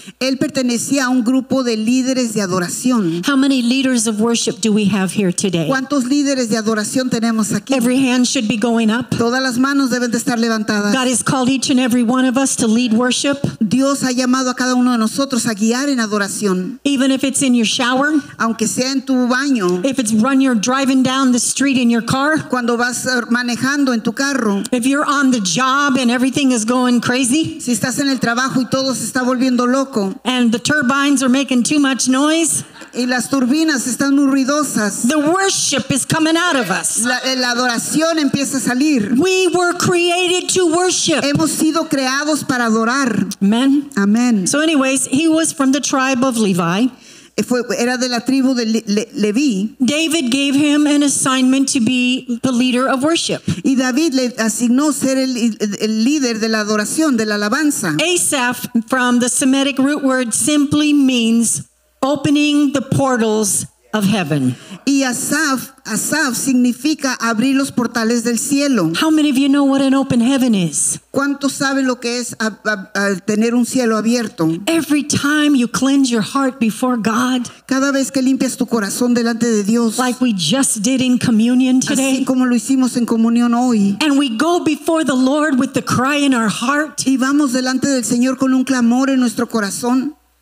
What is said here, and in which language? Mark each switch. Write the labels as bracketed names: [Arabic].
[Spanish] Él pertenecía a un grupo de líderes de adoración. [English] How many leaders of worship do we have here today? [Spanish] ¿Cuántos líderes de adoración tenemos aquí? [English] Every hand should be going up. [Spanish] Todas las manos deben de estar levantadas. [English] God has called each and every one of us to lead worship. [Spanish] Dios ha llamado a cada uno de nosotros a guiar en adoración. [English] Even if it's in your shower. [Spanish] Aunque sea en tu baño. [English] If it's when you're driving down the street in your car. [Spanish] Cuando vas manejando en tu carro. [English] If you're on the job and everything is going crazy. [Spanish] Si estás en el trabajo y todo se está volviendo loco. [English] And the turbines are making too much noise. [Spanish] Y las turbinas están muy ruidosas. [English] The worship is coming out of us. [Spanish] La adoración empieza a salir. [English] We were created to worship. [Spanish] Hemos sido creados para adorar. [English] Amen. [Spanish] Amen. [English] So anyways, he was from the tribe of Levi. [Spanish] Era de la tribu de Leví. [English] David gave him an assignment to be the leader of worship. [Spanish] Y David le asignó ser el líder de la adoración, de la alabanza. [English] Asaph, from the Semitic root word, simply means opening the portals of heaven. [Spanish] Y Asaph significa abrir los portales del cielo. [English] How many of you know what an open heaven is? [Spanish] ¿Cuántos saben lo que es tener un cielo abierto? [English] Every time you cleanse your heart before God. [Spanish] Cada vez que limpias tu corazón delante de Dios. [English] Like we just did in communion today. [Spanish] Así como lo hicimos en comunión hoy. [English] And we go before the Lord with the cry in our heart. [Spanish] Y vamos delante del Señor con un clamor en nuestro corazón.